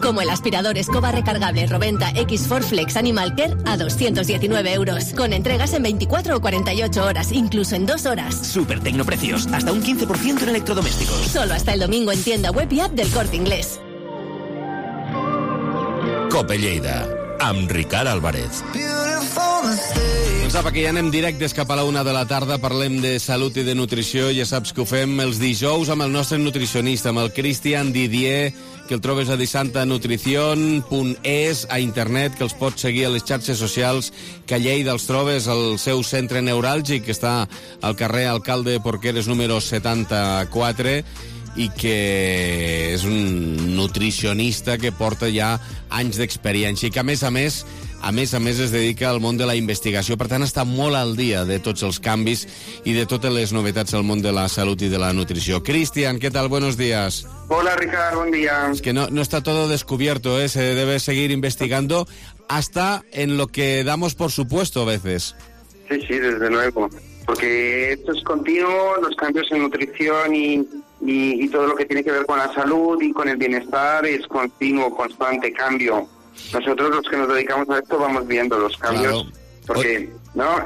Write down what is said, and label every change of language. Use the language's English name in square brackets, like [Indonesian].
[Spanish] Como el aspirador escoba recargable Roventa X4 Flex Animal Care a 219 euros. Con entregas en 24 o 48 horas, incluso en 2 horas. Super tecnoprecios, hasta un 15% en electrodomésticos. Solo hasta el domingo en tienda web y app del Corte Inglés. [Catalan] COPE Lleida, amb Ricard Álvarez. Doncs apa, que ja anem directes cap a la una de la tarda, parlem de salut i de nutrició, ja saps que ho fem els dijous amb el nostre nutricionista, amb el Christian Didier, que el trobes a disantanutricion.es, a internet, que els pots seguir a les xarxes socials, que a Lleida els trobes al seu centre neuràlgic, que està al carrer Alcalde Porqueres número 74, i que és un nutricionista que porta ja anys d'experiència i que, a més a més, es dedica al món de la investigació. Per tant, està molt al dia de tots els canvis i de totes les novetats al món de la salut i de la nutrició. Cristian, què tal? [Spanish] Buenos días. [Catalan] Hola, Ricard, bon dia. És que no està tot descubierto, eh? [Spanish] Se debe seguir investigando hasta en lo que damos por supuesto a veces. Sí, desde luego. Porque esto es continuo, los cambios en nutrición y todo lo que tiene que ver con la salud y con el bienestar es continuo, constante cambio. Nosotros los que nos dedicamos a esto vamos viendo los cambios, claro. Porque ¿no?